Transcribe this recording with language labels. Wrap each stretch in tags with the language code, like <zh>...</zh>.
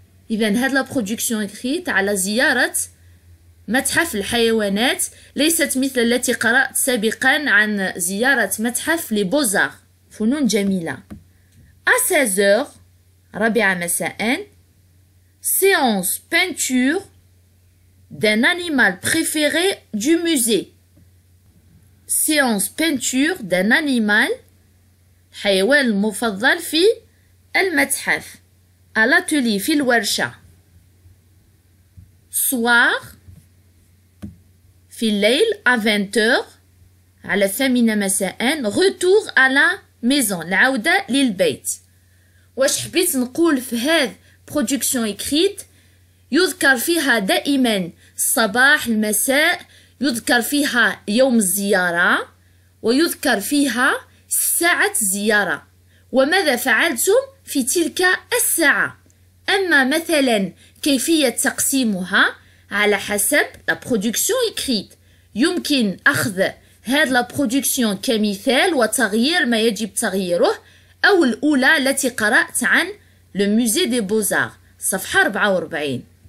<ar>إذن هذه البرودكسيون إكريت على زيارة متحف الحيوانات ليست مثل التي قرأت سابقا عن زيارة متحف لبوزار فنون جميلة</ar> <fr>À 16h</fr> <ar>ربع مساء</ar> <fr>Séance peinture d'un animal préféré du musée. Séance peinture d'un animal</fr> <ar>حيوان المفضل في المتحف</ar> <fr>à l'atelier</fr> <ar>في الورشة.</ar> <fr>Soir</fr> <ar>في الليل</ar> <fr>à 20h à la 8</fr> <ar>مساء</ar> <fr>retour à la maison</fr> <ar>العودة للبيت. واش حبيت نقول في هذه</ar> <fr>production écrite</fr> <ar>يذكر فيها دائما الصباح المساء يذكر فيها يوم الزيارة ويذكر فيها ساعة زيارة، وماذا فعلتم في تلك الساعة؟ أما مثلا كيفية تقسيمها على حسب</ar> <fr>la production écrite،</fr> <ar>يمكن أخذ هذا la production كمثال وتغيير ما يجب تغييره، أو الأولى التي قرأت عن</ar> <fr>le musée des beaux-arts</fr> <ar>صفحة 44.</ar>